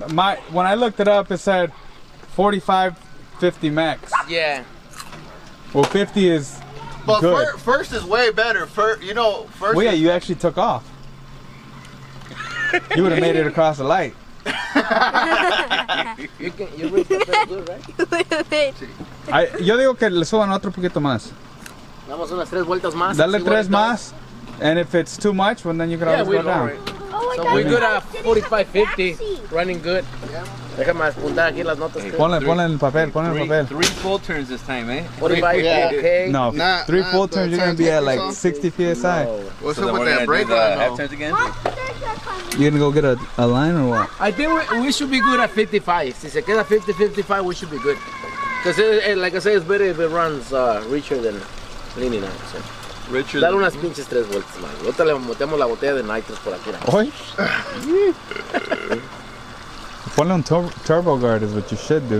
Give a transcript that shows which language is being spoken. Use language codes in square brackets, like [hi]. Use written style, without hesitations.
[en] When I looked it up, it said 45, 50 max. Yeah. Well, 50 is but good. First is way better. First. Well, yeah, you actually took off. You would have made it across the light. [es] Yo digo que le suban otro poquito más. Damos unas tres vueltas más. Dale tres más. [en] And if it's too much, well, then you can always go down. Oh, I So we're good at 45-50, running good. [es] Déjame apuntar aquí las notas. Ponle el papel. [en] Three full turns this time, eh? 45, yeah. Okay. No, nah, three full turns, you're going to be at like 60 PSI. What's up with that brake line? Half turns again? You're going to go get a line or what? I think we should be good at 55. [es] Si se queda [en] 50-55, we should be good. Because, like I said, it's better if it runs richer than leaning out. So. Richard. [es] Dale unas pinches tres vueltas, man. Ahorita le metemos la botella de nitros por aquí. Oy. Ponle un [en] turbo guard is what you should do.